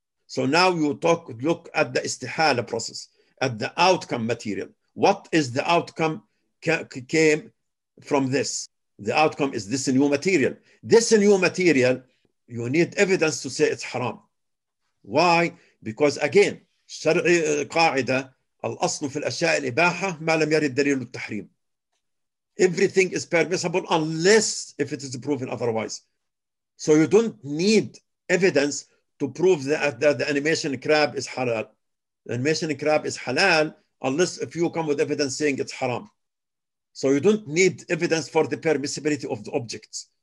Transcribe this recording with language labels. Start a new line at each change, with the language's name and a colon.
English: So now you look at the istihala process, at the outcome material. What is the outcome came from this? The outcome is this new material. This new material, you need evidence to say it's haram. Why? Because again,
Arabic: شرعي قاعدة الأصل في الأشياء الإباحة ما لم يرد دليل التحريم.
English: Everything is permissible unless if it is proven otherwise. So you don't need evidence to prove that the animation crab is halal. The animation crab is halal unless if you come with evidence saying it's haram. So you don't need evidence for the permissibility of the objects.